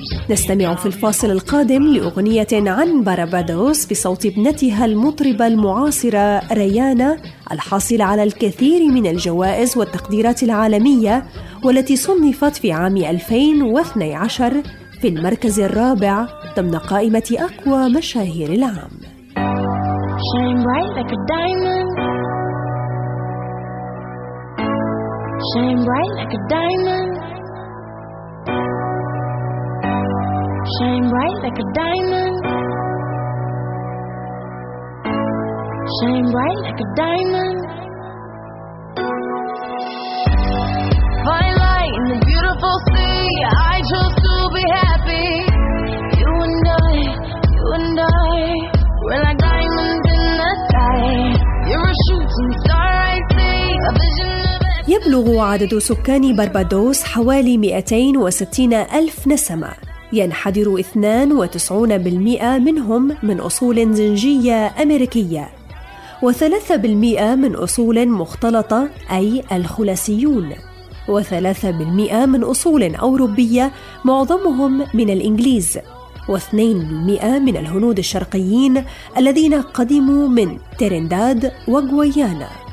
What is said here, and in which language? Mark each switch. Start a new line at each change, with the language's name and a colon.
Arabic: نستمع في الفاصل القادم لأغنية عن باربادوس بصوت ابنتها المطربة المعاصرة ريانا الحاصلة على الكثير من الجوائز والتقديرات العالمية، والتي صنفت في عام 2012 في المركز الرابع ضمن قائمة أقوى مشاهير العام.
English: Shine bright like a diamond. Shine bright like a diamond. Shine bright like a diamond. Shine bright like a diamond. Find light in the beautiful sea. I chose to be happy. You and I, you and I. We're like diamonds in the sky. You're a shooting star I see. A vision.
Arabic: يبلغ عدد سكان باربادوس حوالي 260 ألف نسمة، ينحدر 92% منهم من أصول زنجية أمريكية، و3% من أصول مختلطة أي الخلاسيون، و3% من أصول أوروبية معظمهم من الإنجليز، و2% من الهنود الشرقيين الذين قدموا من ترينداد وغويانا.